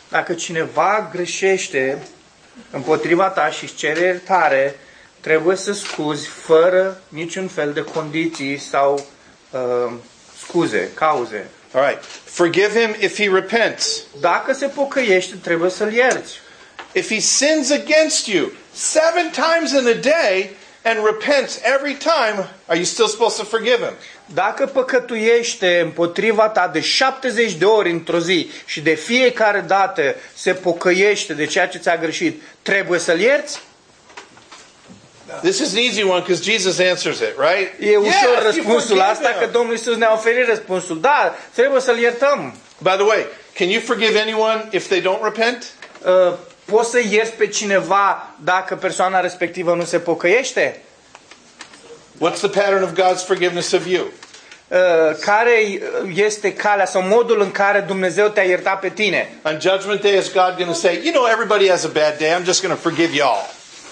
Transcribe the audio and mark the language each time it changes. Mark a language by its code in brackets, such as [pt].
[ro] Dacă cineva greșește împotriva ta și îți cere iertare, trebuie să scuzi fără niciun fel de condiții sau scuze, cauze. [en] All right. Forgive him if he repents. [ro] Dacă se pocăiește, trebuie să-l ierți. [en] If he sins against you 7 times in a day and repents every time, are you still supposed to forgive him? [ro] Dacă păcătuiește împotriva ta de 70 de ori într-o zi și de fiecare dată se pocăiește de ceea ce ți-a greșit, trebuie să-l ierți? [en] This is an easy one because Jesus answers it, right? [ro] E ușor răspunsul asta că Domnul Iisus ne-a oferit răspunsul. Da, trebuie să-l iertăm. [en] By the way, can you forgive anyone if they don't repent? [ro] Poți să ierți pe cineva dacă persoana respectivă nu se pocăiește? [en] What's the pattern of God's forgiveness of you? [ro] Care este calea sau modul în care Dumnezeu te-a iertat pe tine? [en] On judgment day is God going to say, you know, everybody has a bad day, I'm just going to forgive y'all.